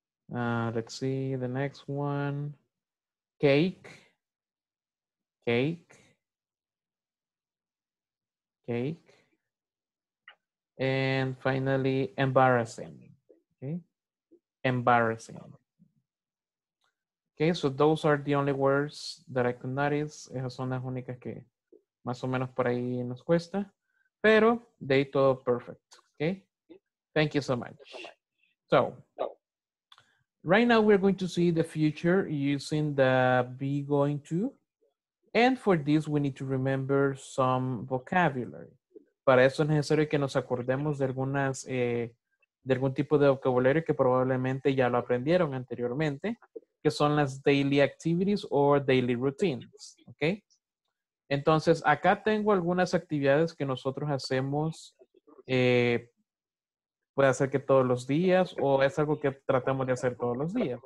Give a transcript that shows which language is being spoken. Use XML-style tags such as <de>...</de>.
<en>Let's see the next one. Cake. Cake. Cake. And finally, embarrassing. Okay. Embarrassing. Okay, so those are the only words that I could notice.</en> <es>Esas son las únicas que más o menos por ahí nos cuesta. Pero</es> <en>they</en> <es>todo</es> <en>perfect. Okay. Thank you so much. So right now we're going to see the future using the be going to. And for this, we need to remember some vocabulary.</en> <es>Para eso es necesario que nos acordemos de algunas de algún tipo de vocabulario que probablemente ya lo aprendieron anteriormente, que son las</es> <en>daily activities or daily routines. Okay.</en> <es>Entonces, acá tengo algunas actividades que nosotros hacemos, puede ser que todos los días, o es algo que tratamos de hacer todos los días.</es>